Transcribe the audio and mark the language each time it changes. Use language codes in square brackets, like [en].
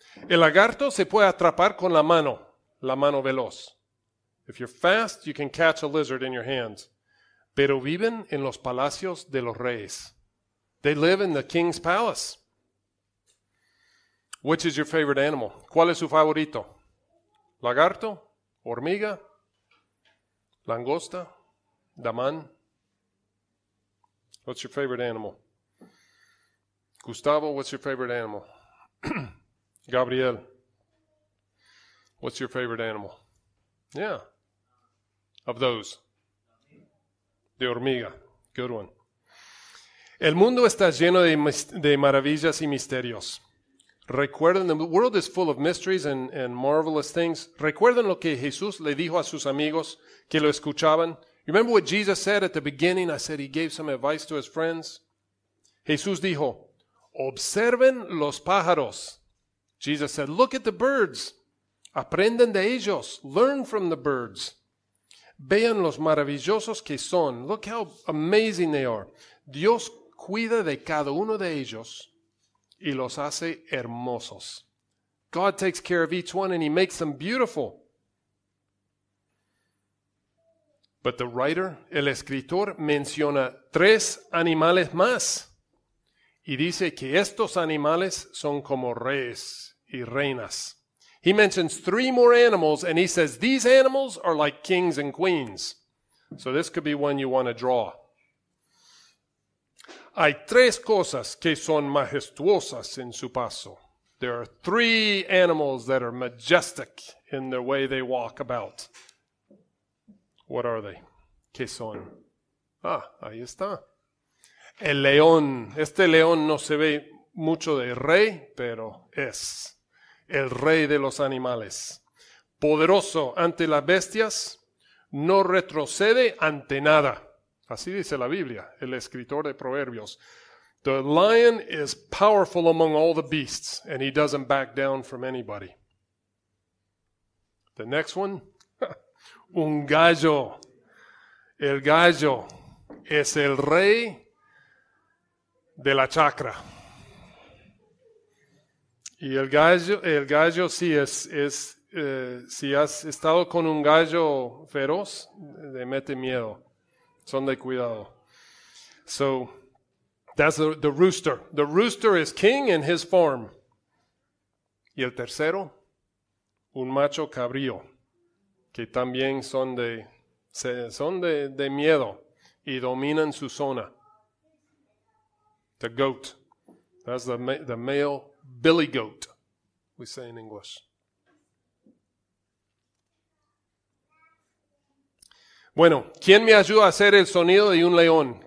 [es] El lagarto se puede atrapar con la mano veloz. [en] If you're fast, you can catch a lizard in your hands. [es] Pero viven en los palacios de los reyes. [en] They live in the king's palace. Which is your favorite animal? [es] ¿Cuál es su favorito? ¿Lagarto? ¿Hormiga? ¿Langosta? ¿Damán? [en] What's your favorite animal? Gustavo, what's your favorite animal? Gabriel, what's your favorite animal? Yeah. Of those. [es] De hormiga. [en] Good one. [es] El mundo está lleno de maravillas y misterios. [en] Recuerden, the world is full of mysteries and marvelous things. [es] Recuerden lo que Jesús le dijo a sus amigos que lo escuchaban. [en] Remember what Jesus said at the beginning? I said he gave some advice to his friends. [es] Jesús dijo, observen los pájaros. [en] Jesus said, look at the birds. [es] Aprenden de ellos. [en] Learn from the birds. [es] Vean los maravillosos que son. [en] Look how amazing they are. [es] Dios cuida de cada uno de ellos y los hace hermosos. [en] God takes care of each one and he makes them beautiful. But the writer, [es] el escritor, menciona tres animales más y dice que estos animales son como reyes y reinas. [en] He mentions three more animals and he says these animals are like kings and queens. So this could be one you want to draw. [es] Hay tres cosas que son majestuosas en su paso. [en] There are three animals that are majestic in the way they walk about. What are they? [es] ¿Qué son? Ah, ahí está. El león. Este león no se ve mucho de rey, pero es el rey de los animales. Poderoso ante las bestias, no retrocede ante nada. Así dice la Biblia, el escritor de Proverbios. [en] The lion is powerful among all the beasts, and he doesn't back down from anybody. The next one, [es] un gallo. El gallo es el rey de la chacra. Y el gallo sí es si has estado con un gallo feroz, te mete miedo. Son de cuidado. [en] So, that's the rooster. The rooster is king in his form. [es] Y el tercero, un macho cabrío, que también son de miedo y dominan su zona. [en] The goat. That's the male billy goat, we say in English. [es] Bueno, ¿quién me ayuda a hacer el sonido de un león?